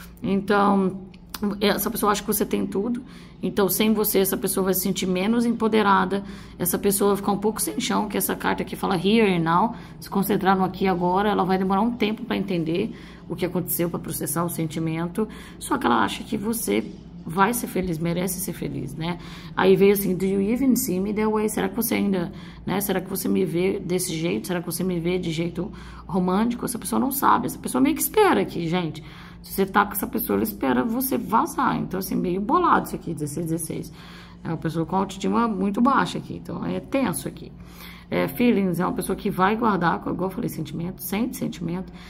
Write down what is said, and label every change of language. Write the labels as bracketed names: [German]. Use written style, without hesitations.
[Portuguese] Então, essa pessoa acha que você tem tudo, então sem você essa pessoa vai se sentir menos empoderada, essa pessoa vai ficar um pouco sem chão, que essa carta aqui fala [English] here and now, [Portuguese] se concentrar no aqui e agora, ela vai demorar um tempo para entender o que aconteceu, para processar o sentimento, só que ela acha que você vai ser feliz, merece ser feliz, né? Aí veio assim, [English] do you even see me that way? [Portuguese] Será que você ainda, né? Será que você me vê desse jeito? Será que você me vê de jeito romântico? Essa pessoa não sabe, essa pessoa meio que espera aqui, gente. Se você tá com essa pessoa, ela espera você vazar. Então, assim, meio bolado isso aqui, 16, 16. É uma pessoa com autoestima muito baixa aqui. Então, é tenso aqui. É, feelings, é uma pessoa que vai guardar, igual eu falei, sentimento, sente sentimento.